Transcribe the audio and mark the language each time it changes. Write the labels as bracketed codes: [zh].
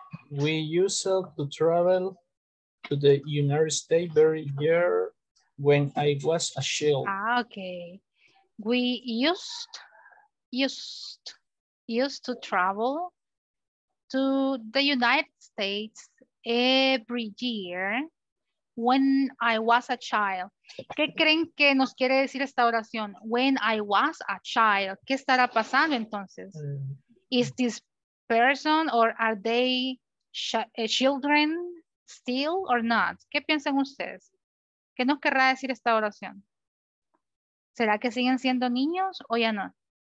[en] We used to travel to the United States every year when I was a child. Ah, okay. We used to travel to the United States every year when I was a child. [es] ¿Qué creen que nos quiere decir esta oración? [en] When I was a child. [es] ¿Qué estará pasando entonces? [en] Is this person or are they children still or not? [es] ¿Qué piensan ustedes? ¿Qué nos querrá decir esta oración? ¿Será que siguen siendo niños o ya no?